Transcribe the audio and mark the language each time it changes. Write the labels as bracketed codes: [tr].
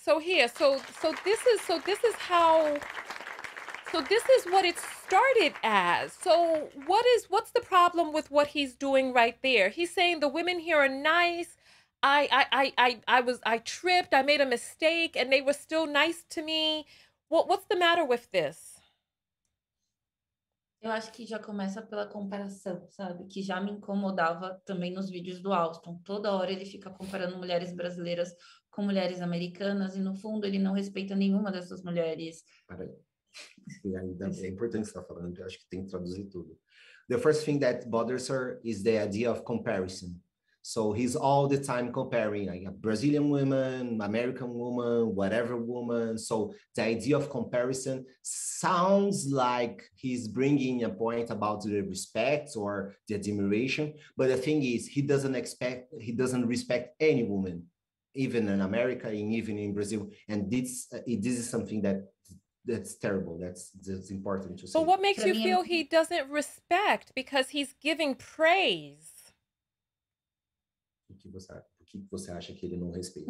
[en] So here, so this is what it started as. So what's the problem with what he's doing right there? He's saying the women here are nice. I tripped, I made a mistake, and they were still nice to me. What's the matter with this? [pt] Eu acho que já começa pela comparação, sabe? Que já me incomodava também nos vídeos do Alston. Toda hora ele fica comparando mulheres brasileiras com mulheres americanas e, no fundo, ele não respeita nenhuma dessas mulheres. É importante estar falando, eu acho que tem que traduzir tudo. [en] The first thing that bothers her is the idea of comparison. So he's all the time comparing a Brazilian woman, American woman, whatever woman. So the idea of comparison sounds like he's bringing a point about the respect or the admiration. But the thing is, he doesn't respect any woman, even in America and even in Brazil. And this is something that's terrible. That's important to say. But what makes you feel he doesn't respect? Because he's giving praise. [pt] O que você acha que ele não respeita?